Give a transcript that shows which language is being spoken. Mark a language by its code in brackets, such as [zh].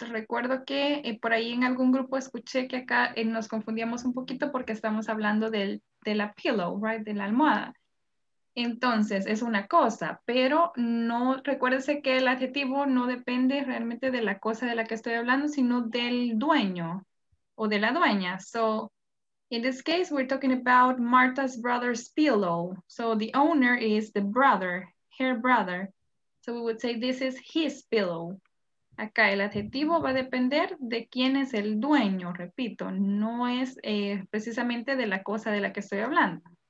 [es] Recuerdo que por ahí en algún grupo escuché que acá nos confundíamos un poquito porque estamos hablando de la pillow, right? De la almohada. Entonces, es una cosa, pero no, recuérdese que el adjetivo no depende realmente de la cosa de la que estoy hablando, sino del dueño o de la dueña. [en] So, in this case, we're talking about Martha's brother's pillow. So, the owner is the brother, her brother. So, we would say this is his pillow. [es] Acá el adjetivo va a depender de quién es el dueño, repito, no es precisamente de la cosa de la que estoy hablando.